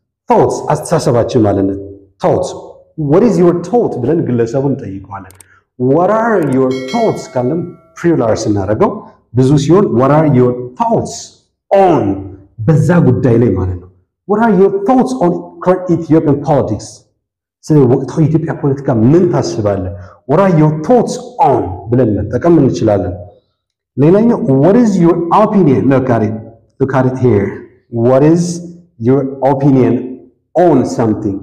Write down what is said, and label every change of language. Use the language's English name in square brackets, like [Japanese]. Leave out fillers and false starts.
[Amharic] Thoughts አስተሳሰባችን ማለት ነው። Thoughts. [English] What is your thought [Amharic] ብለን ግለሰቡን እንጠይቀዋለን። [English] What are your thoughts? [Amharic] ካለም ፕሪላር ስናደርገው ብዙ ሲሆን [English] What are your thoughts on? [Amharic] በዛ ጉዳይ ላይ ማለት ነው። [English] What are your thoughts on current Ethiopian politics? [Amharic] ስለ ወቅታዊ የኢትዮጵያ ፖለቲካ ምን ታስባለህ? [English] What are your thoughts on? [Amharic] ብለን መጠቀም እንችላለን። ሌላኛው [English] What is your opinion? Look at it here. What is your opinion on something?